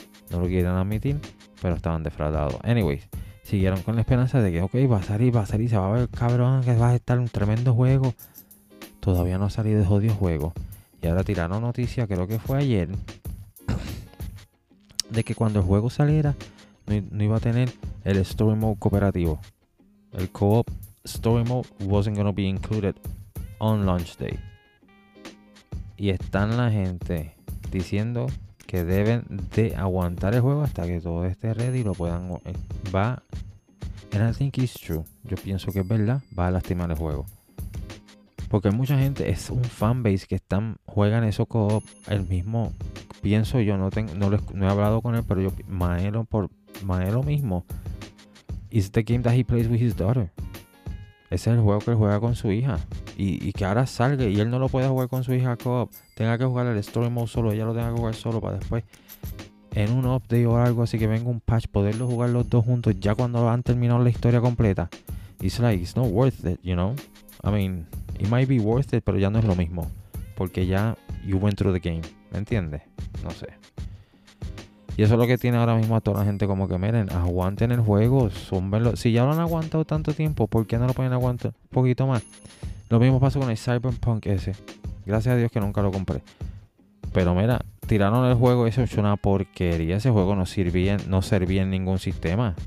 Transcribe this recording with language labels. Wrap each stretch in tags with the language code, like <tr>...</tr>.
<es>No lo quieren admitir, pero estaban defraudados. Anyways, siguieron con la esperanza de que, ok, va a salir, se va a ver, cabrón, que va a estar un tremendo juego. Todavía no ha salido el jodido juego. Y ahora tiraron noticia, creo que fue ayer, de que cuando el juego saliera, no iba a tener el Story Mode cooperativo.</es> <en>El co-op Story Mode wasn't gonna be included on launch day.</en> <es>Y están la gente diciendo que deben de aguantar el juego hasta que todo esté ready y lo puedan. Va.</es> <en>And I think it's true.</en> <es>Yo pienso que es verdad. Va a lastimar el juego. Porque mucha gente es un fanbase que están, juegan eso co-op. El mismo, pienso yo, no he hablado con él, pero yo, Maelo mismo.</es> <en>Is the game that he plays with his daughter.</en> <es>Ese es el juego que él juega con su hija. Y que ahora salga y él no lo pueda jugar con su hija co-op. Tenga que jugar el Story Mode solo. Ella lo tenga que jugar solo para después, en un update o algo así, que venga un patch, poderlo jugar los dos juntos ya cuando han terminado la historia completa.</es> <en>It's like, it's not worth it, you know? I mean, it might be worth it,</en> <es>pero ya no es lo mismo. Porque ya</es> <en>you went through the game.</en> <es>¿Me entiendes? No sé. Y eso es lo que tiene ahora mismo a toda la gente como que, miren, aguanten el juego, súmenlo. Si ya lo han aguantado tanto tiempo, ¿por qué no lo pueden aguantar un poquito más? Lo mismo pasó con el Cyberpunk ese. Gracias a Dios que nunca lo compré. Pero mira, tiraron el juego, eso es una porquería. Ese juego no servía en ningún sistema.</es>